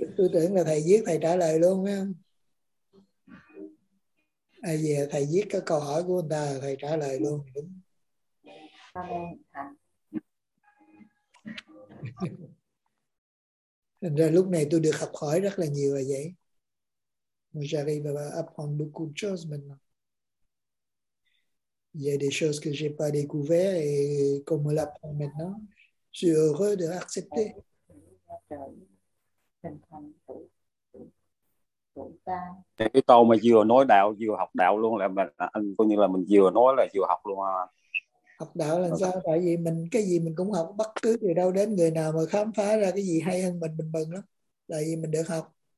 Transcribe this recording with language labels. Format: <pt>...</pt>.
<vi>tôi tưởng là thầy viết thầy trả lời luôn á. À, về thầy viết cái câu hỏi của người ta thầy trả lời luôn đúng. Thành ra lúc này tôi được học hỏi rất là nhiều là vậy.</vi> <fr>J'arrive à apprendre beaucoup de choses maintenant. Il y a des choses que j'ai pas découvert et qu'on me l'apprend maintenant. Je suis heureux de l'accepter.</fr> <vi>Cái câu mà vừa nói đạo vừa học đạo luôn là mình anh coi như là mình vừa nói là vừa học luôn à. Học đạo là sao? Tại vì mình cái gì mình cũng học, bất cứ từ đâu đến người nào mà khám phá ra cái gì hay hơn mình mừng lắm. Tại vì mình được học.</vi>